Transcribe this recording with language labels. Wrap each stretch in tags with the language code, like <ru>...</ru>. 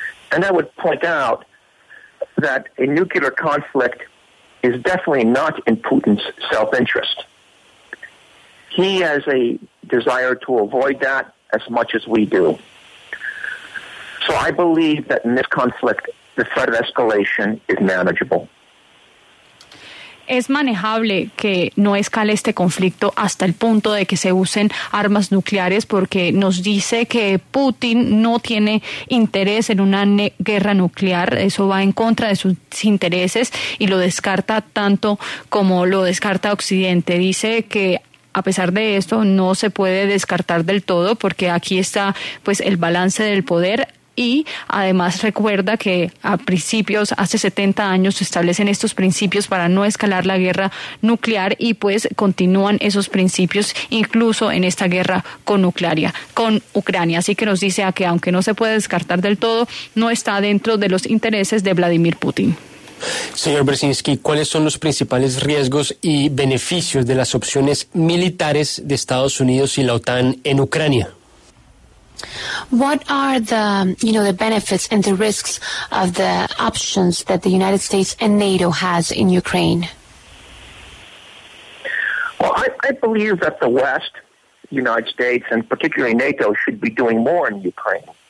<en>And I would point out that a nuclear conflict is definitely not in Putin's self-interest. He has a desire to avoid that as much as we do. So I believe that in this conflict, the threat of escalation is manageable.</en> <es>¿Es manejable que no escale este conflicto hasta el punto de que se usen armas nucleares? Porque nos dice que Putin no tiene interés en una guerra nuclear. Eso va en contra de sus intereses y lo descarta tanto como lo descarta Occidente. Dice que a pesar de esto no se puede descartar del todo porque aquí está pues el balance del poder. Y además recuerda que a principios, hace 70 años, se establecen estos principios para no escalar la guerra nuclear y pues continúan esos principios incluso en esta guerra con Ucrania. Así que nos dice a que aunque no se puede descartar del todo, no está dentro de los intereses de Vladimir Putin. Señor Brzezinski, ¿cuáles son los principales riesgos y beneficios de las opciones militares de Estados Unidos y la OTAN en Ucrania?</es> <en>What are the, you know, the benefits and the risks of the options that the United States and NATO has in Ukraine? Well, I believe that the West, United States, and particularly NATO should be doing more in Ukraine.</en>